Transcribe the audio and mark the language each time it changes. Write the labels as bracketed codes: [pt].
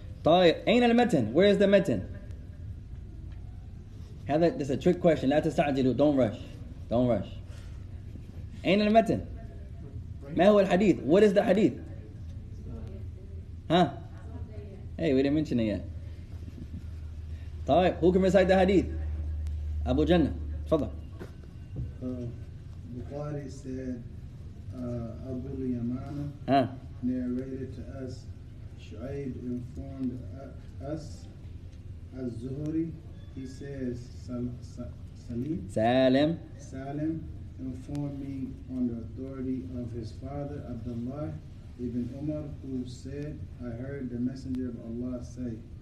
[ar] طيب أين المتن؟ [en] Where is the متن؟ هذا this is a trick question. [ar] لا تستعجلوا. [en] Don't rush. [ar] أين المتن؟ ما هو الحديث؟ [en] What is the [ar] حديث؟ Huh? [en] Hey, we didn't mention it yet. طيب, who can recite the hadith? Abu Jannah. تفضل. Bukhari said, Abu Yamana narrated to us, Shu'ayb informed us, Az-Zuhri, he says, Salim informed me on the authority of his father, Abdullah ibn Umar, who said, I heard the Messenger of Allah say.